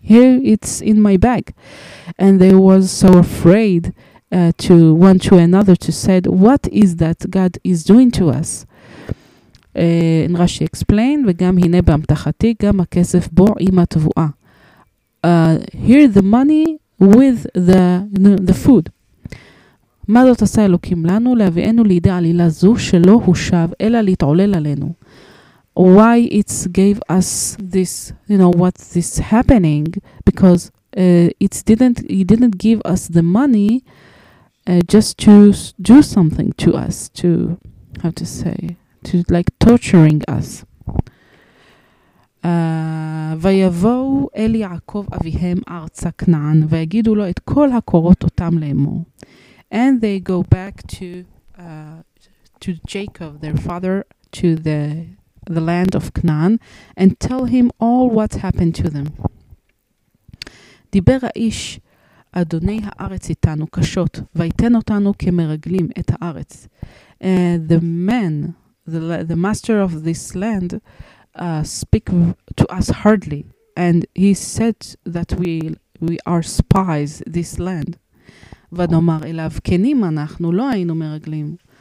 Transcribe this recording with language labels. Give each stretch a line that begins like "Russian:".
English: Here it's in my bag. And they was so afraid to one to another to said, what is that God is doing to us? And Rashi explained,
Hebrew: וגם הנה באמתחתי, גם הכסף בו עם התבועה.
English: Here the money with the food.
Hebrew: מה זאת עשה אלוקים לנו? להביאנו לידי עלילה זו שלא הושב, אלא להתעולל עלינו.
English: Why it gave us this, you know, what this happening? Because he didn't give us the money just to do something to us, to, how to say, to like torturing us.
Hebrew: ויבואו אל יעקב אביהם ארצה כנען, ויגידו לו את כל הקורות אותם לאמור.
English: And they go back to Jacob, their father, to the land of Canaan, and tell him all what happened to them.
Hebrew: דיבר האיש, אדוני הארץ איתנו קשות, ויתן אותנו כמרגלים את הארץ.
English: The man, the master of this land, speak to us hardly, and he said that we are spies, this land.
Hebrew: ונאמר אליו, כנים אנחנו, לא היינו מרגלים.